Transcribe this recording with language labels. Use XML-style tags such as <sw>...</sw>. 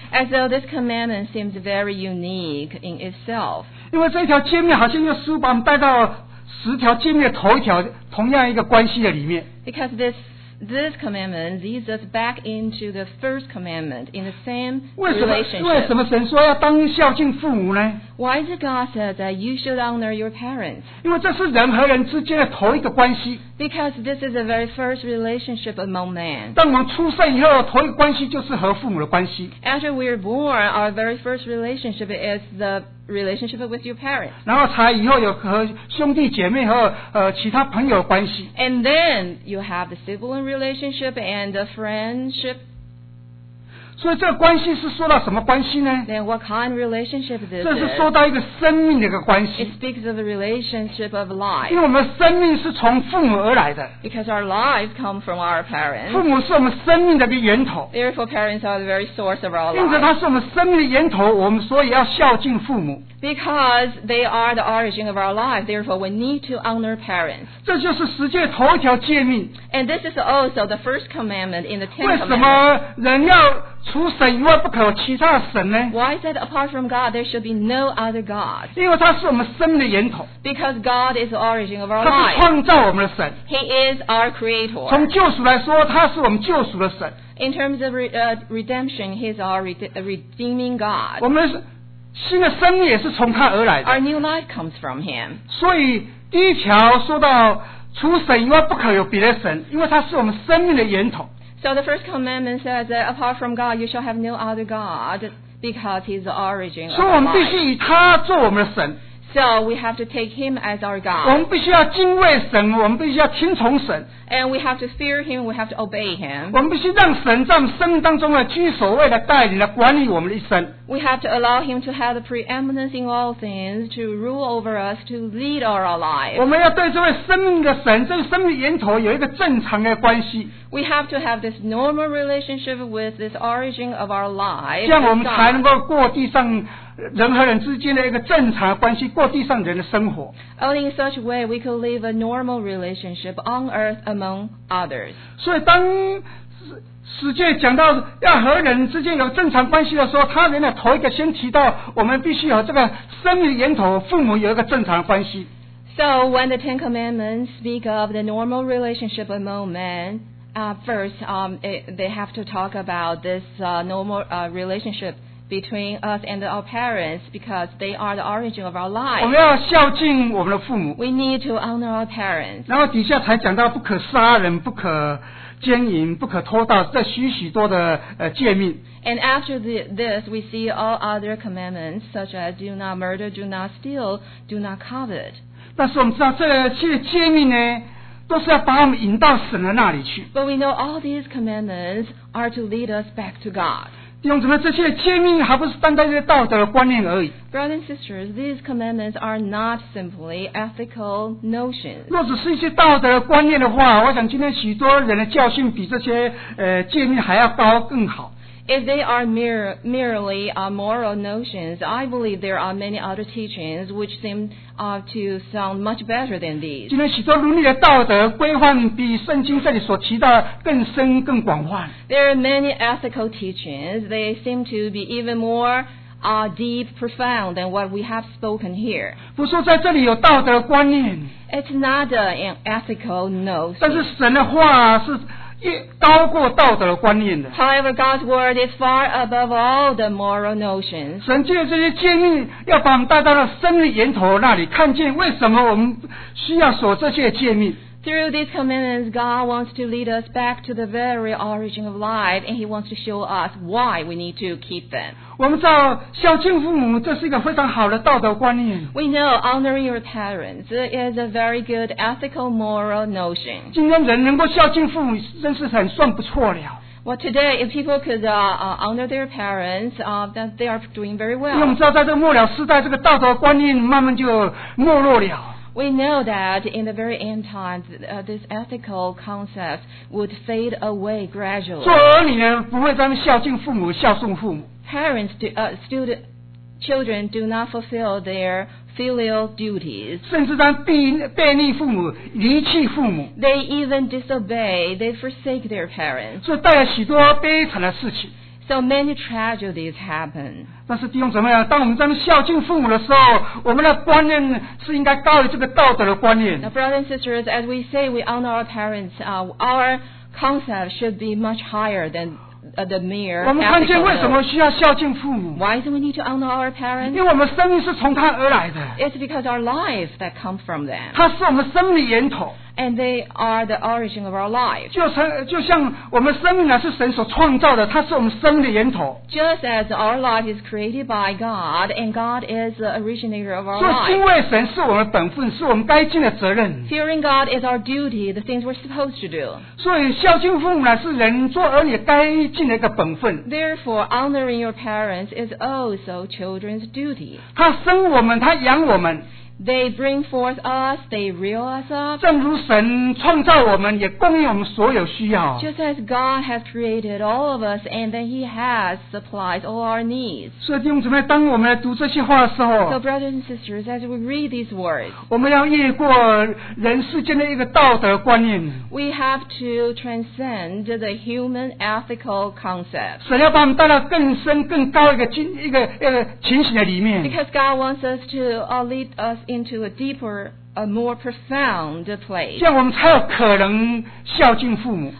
<en>As though this commandment seems very unique in itself.</en> <zh>因为这条诫命好像又似乎把我们带到十条诫命的头一条同样一个关系的里面。</zh> <en>Because this commandment leads us back into the first commandment in the same relationship.</en> <zh>为什么神说要当孝敬父母呢？</zh> <en>Why does God say that you should honor your parents?</en> <zh>因为这是人和人之间的头一个关系。</zh> <en>Because this is the very first relationship among man.</en> <zh>当我们出生以后，头一个关系就是和父母的关系。</zh> <en>After we are born, our very first relationship is the relationship with your parents.</en> <zh>然后才以后有和兄弟姐妹和其他朋友的关系。</zh> <en>And then you have the sibling relationship and the friendship.</en> <zh>所以这个关系是说到什么关系呢？</zh> <en>Then what kind of relationship this is?</en> <zh>这是说到一个生命的一个关系。</zh> <en>It speaks of the relationship of life.</en> <zh>因为我们生命是从父母而来的。</zh> <en>Because our lives come from our parents.</en> <zh>父母是我们生命的一个源头。</zh> <en>Therefore parents are the very source of our life.</en> <zh>因着他是我们生命的源头，我们所以要孝敬父母。</zh> <en>Because they are the origin of our life, therefore we need to honor parents.</en> <zh>这就是十诫头一条诫命。</zh> <en>And this is also the first commandment in the Ten Commandments.</en> <zh>为什么人要除神以外不可有其他神呢？</zh> <en>Why is it apart from God there should be no other God?</en> <zh>因为他是我们生命的源头。</zh> <en>Because God is the origin of our life.</en> <zh>他是创造我们的神。</zh> <en>He is our creator.</en> <zh>从救赎来说，他是我们救赎的神。</zh> <en>In terms of redemption, he is our redeeming God.</en> <zh>我们新的生命也是从他而来的。</zh> <en>Our new life comes from him.</en> <zh>所以第一条说到除神以外不可有别的神，因为他是我们生命的源头。</zh> <en>So the first commandment says that apart from God, you shall have no other God, because he's the origin of life.</en> <zh>所以我们必须以他做我们的神。</zh> <en>So we have to take him as our God.</en> <zh>我们必须要敬畏神，我们必须要听从神。</zh> <en>And we have to fear him, we have to obey him.</en> <zh>我们必须让神在我们生命当中来居首位，来带领，来管理我们的一生。</zh> <en>We have to allow him to have the preeminence in all things, to rule over us, to lead our lives.</en> <zh>我们要对这位生命的神，这位生命源头有一个正常的关系。</zh> <en>We have to have this normal relationship with this origin of our life.</en> <zh>这样我们才能够过地上人和人之间的一个正常关系，过地上人的生活。</zh> <en>Only in such a way we could live a normal relationship on earth among others.</en> <zh>所以当世界讲到要和人之间有正常关系的时候，他人的头一个先提到我们必须和这个生命源头父母有一个正常关系。</zh> <en>So when the Ten Commandments speak of the normal relationship among men,they have to talk about this normal relationship between us and our parents because they are the origin of our life.</en> <zh>我们要孝敬我们的父母。</zh> <en>We need to honor our parents.</en> <zh>然后底下才讲到不可杀人、不可奸淫、不可偷盗，这许许多的诫命。</zh> <en>And after this, we see all other commandments such as do not murder, do not steal, do not covet.</en> <zh>但是我们知道这些诫命呢？都是要把我们引到神的那里去。</zh> <en>But we know all these commandments are to lead us back to God.</en> <zh>弟兄姊妹，这些诫命还不是单单的道德观念而已。</zh> <en>Brothers and sisters, these commandments are not simply ethical notions.</en> <zh>若只是一些道德观念的话，我想今天许多人的教训比这些诫命还要高更好。</zh> <en>If they are merely moral notions, I believe there are many other teachings which seem to sound much better than these.</en> <zh>今天许多伦理的道德规范比圣经这里所提到更深更广泛。</zh> <en>There are many ethical teachings. They seem to be even more deep, profound than what we have spoken here.</en> <zh>不说在这里有道德观念。</zh> <en>It's not an ethical notion.</en> <zh>但是神的话是高过道德观念的。</zh> <en>However, God's word is far above all the moral notions.</en> <zh>神借着这些诫命，要把我们带到生命源头那里，看见为什么我们需要守这些诫命。</zh> <en>Through these commandments, God wants to lead us back to the very origin of life, and He wants to show us why we need to keep them.</en> <zh>我们知道孝敬父母，这是一个非常好的道德观念。</zh> <en>We know honoring your parents is a very good ethical moral notion.</en> <zh>今天人能够孝敬父母，真是很算不错了。</zh> <en>Well, today, if people could honor their parents, then they are doing very well.</en> <zh>因为我们知道，在这个末了时代，这个道德观念慢慢就没落了。</zh> <en>We know that in the very end times, this ethical concept would fade away gradually.</en> <zh>做儿女呢，不会专门孝敬父母，孝顺父母。</zh> <en>Parents do, children do not fulfill their filial duties.</en> <zh>甚至当背逆父母，离弃父母。</zh> <en>They even disobey. They forsake their parents.</en> <zh>所以带来许多悲惨的事情。</zh> <en>So many tragedies happen.</en> <zh>但是弟兄姊妹啊，当我们在孝敬父母的时候，我们的观念是应该高于这个道德的观念。</zh> <en>Now, brothers and sisters, as we say, we honor our parents. Our concept should be much higher than the mere ethical.</en> <zh>我们看见为什么需要孝敬父母</zh> <en>？Why do we need to honor our parents?</en> <zh>因为我们生命是从他而来的。</zh> <en>It's because our lives that come from them.</en> <zh>他是我们生命的源头。</zh> <en>And they are the origin of our life.</en> <zh>就像我们生命呢是神所创造的，它是我们生命的源头。</zh> <en>Just as our life is created by God, and God is the originator of our life.</en> <zh>所以敬畏神是我们本分，是我们该尽的责任。</zh> <en>Fearing God is our duty, the things we're supposed to do.</en> <zh>所以孝敬父母呢是人做儿女该尽的一个本分。</zh> <en>Therefore, honoring your parents is also children's duty.</en> <zh>他生我们，他养我们。</zh> <en>They bring forth us, they rear us up.</en> <zh>正如神创造我们，也供应我们所有需要。</zh> <en>Just as God has created all of us, and then He has supplied all our needs.</en> <zh>所以弟兄姊妹，当我们来读这些话的时候</zh> <en>，So brothers and sisters, as we read these words,</en> <zh>我们要越过人世间的一个道德观念。</zh> <en>We have to transcend the human ethical concept.</en> <zh>神要把我们带到更深、更高一个情形的里面。</zh> <en>Because God wants us to lead us. Into a deeper, a more profound place.</en> <zh>这样我们才有可能孝敬父母。</zh>